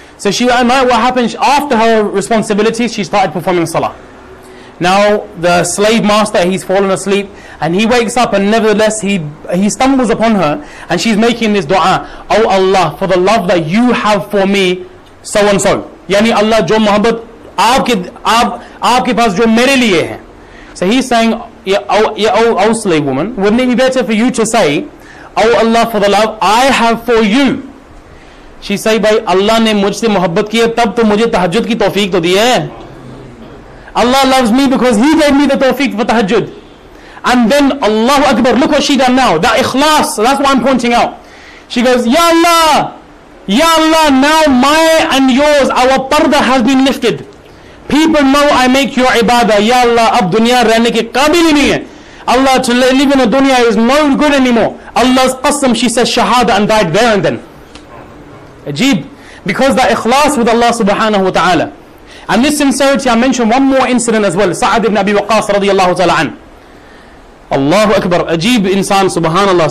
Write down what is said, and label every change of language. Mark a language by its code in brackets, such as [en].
[en] So she, at night, what happened, after her responsibilities, she started performing salah. Now the slave master, he's fallen asleep and he wakes up, and nevertheless he stumbles upon her and she's making this dua, Oh Allah, for the love that you have for me, so and so. [ur] یعنی اللہ، جو محبت آپ کے پاس جو میرے لیے ہے۔ [en] So he's saying, Oh slave woman, wouldn't it be better for you to say, Oh Allah, for the love I have for you. She say, [ur] بھائی، اللہ نے مجھ سے محبت کی ہے، تب تو مجھے تہجد کی توفیق تو دی ہے۔ [en] Allah loves me because He gave me the tawfiq for tahajjud. And then Allahu Akbar, look what she done now. That ikhlas, that's what I'm pointing out. She goes, Ya Allah, now my and yours, our parda has been lifted. People know I make your ibadah. [ur] یا اللہ، اب دنیا رہنے کے قابل ہی نہیں ہے۔ [en] Allah, to live in a dunya is no good anymore. Allah's qasam, she says shahada and died there and then. Ajib. Because that ikhlas with Allah subhanahu wa ta'ala. And this sincerity, I mention one more incident as well. Sa'ad ibn Abi Waqqas radiallahu ta'ala an. Allahu Akbar, ajeeb insan, subhanallah.